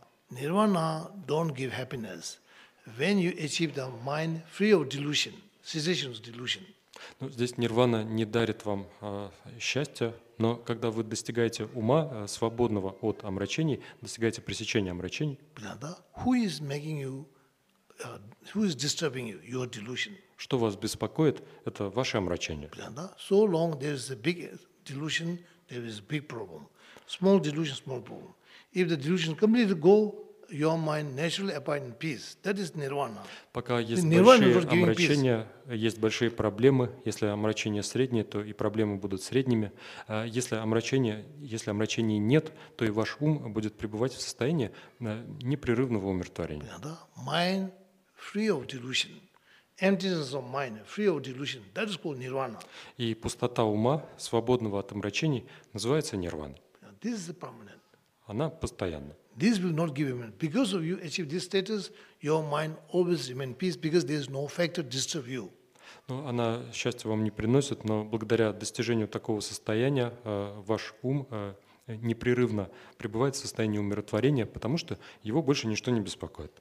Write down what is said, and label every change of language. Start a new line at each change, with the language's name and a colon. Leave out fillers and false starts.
English: Nirvana don't give happiness when you achieve the mind free of delusion, cessation of delusion.
Russian: Ну, здесь нирвана не дарит вам счастья, но когда вы достигаете ума свободного от омрачений, достигаете пресечения омрачений. Понятно?
English: Who is making you? Who is disturbing you? Your delusion.
Russian: Что вас беспокоит? Это ваше омрачение. Понятно?
English: So long there is a big delusion, there is a big problem. Small delusion, small problem. If the delusion completely go, your mind naturally abide in peace. That is nirvana.
Russian: Пока есть большие омрачения, есть большие проблемы. Если омрачение среднее, то и проблемы будут средними. Если омрачений нет, то и ваш ум будет пребывать в состоянии непрерывного умиротворения.
English: Да, mind free of delusion, emptiness of mind free of delusion. That is called nirvana.
Russian: И пустота ума, свободного от омрачений, называется нирвана.
English: This is the permanent.
Russian: Она постоянна.
English: This will not give you mind. Because of you achieve this status, your mind always remain peace because there is no factor disturb you.
Russian: Ну, она счастья вам не приносит, но благодаря достижению такого состояния ваш ум непрерывно пребывает в состоянии умиротворения, потому что его больше ничто не беспокоит.